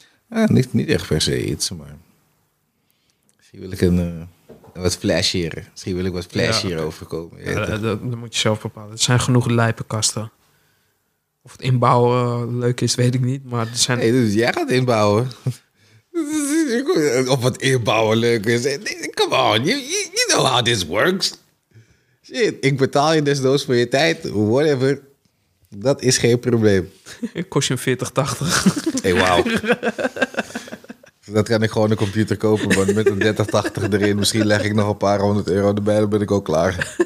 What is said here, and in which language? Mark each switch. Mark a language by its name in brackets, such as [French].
[Dutch] Ja, niet echt per se iets, maar... Misschien wil ik wat flashier. Misschien wil ik wat flashier overkomen. Ja, dat moet je zelf bepalen. Er zijn genoeg lijpe kasten. Of het inbouwen leuk is, weet ik niet. Maar er zijn... Nee, dus jij gaat inbouwen. Of het inbouwen leuk is. [English] Come on, you know how this works. [Dutch] Shit, ik betaal je desnoods voor je tijd. Whatever. Dat is geen probleem. Kost je 40-80. Hey, wauw. Dat kan ik gewoon een computer kopen, maar met een 30-80 erin. Misschien leg ik nog een paar €100 erbij, dan ben ik ook klaar.